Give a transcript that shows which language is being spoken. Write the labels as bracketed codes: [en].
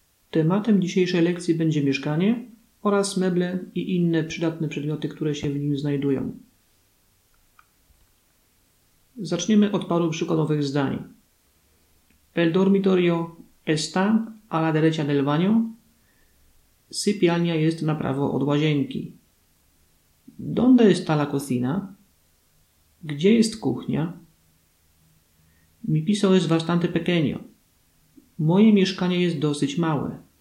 [pl] Tematem dzisiejszej lekcji będzie mieszkanie oraz meble i inne przydatne przedmioty, które się w nim znajdują. Zaczniemy od paru przykładowych zdań. [es] El dormitorio está a la derecha del baño. [pl] Sypialnia jest na prawo od łazienki. [es] ¿Dónde está la cocina? [pl] Gdzie jest kuchnia? [es] Mi piso es bastante pequeño. [pl] Moje mieszkanie jest dosyć małe.